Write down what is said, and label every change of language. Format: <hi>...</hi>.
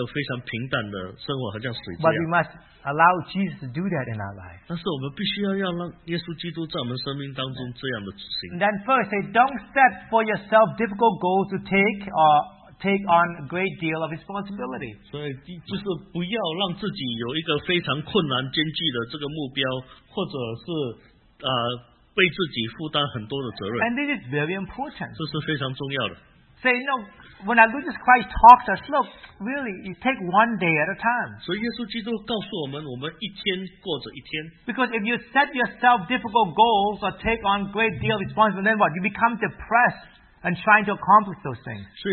<zh>所以我们很多人呢都需要一个他生命是多姿多彩，不想要一个非常平淡的生活，好像水这样。</zh> <en>But we must allow Jesus to do that in our life.</en> <zh>但是我们必须要让耶稣基督在我们生命当中这样的执行。</zh> <en>Then first, say, don't set for yourself difficult goals to take or take on a great deal of responsibility.</en> <zh>所以就是不要让自己有一个非常困难艰巨的这个目标，或者是。</zh> <en>And this is very important.</en> <zh>这是非常重要的.</zh> <en>Say, you know, when our Lord Jesus Christ talks to us, look, really, you take one day at a time.</en> <zh>所以耶稣基督告诉我们，我们一天过着一天.</zh> <en>Because if you set yourself difficult goals or take on great deal of responsibility, then what? You become depressed and trying to accomplish those things.</en>